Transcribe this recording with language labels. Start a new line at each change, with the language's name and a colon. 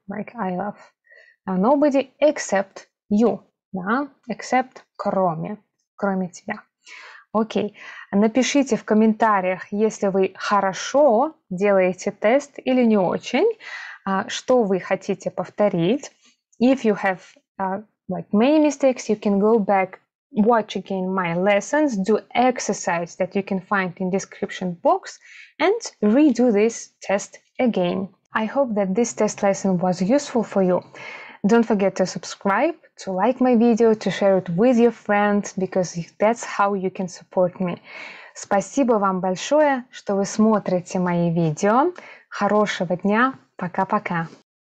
English: Like I love nobody except you.
Russian: Да?
English: Except кроме.
Russian: Кроме тебя. Окей. Напишите в комментариях, если вы хорошо делаете тест или не очень, что вы хотите повторить.
English: If you have like many mistakes, you can go back, watch again my lessons, do exercise that you can find in description box and redo this test again. I hope that this test lesson was useful for you. Don't forget to subscribe, to like my video, to share it with your friends, because that's how you can support me.
Russian: Спасибо вам большое, что вы смотрите мои видео. Хорошего дня. Пока-пока.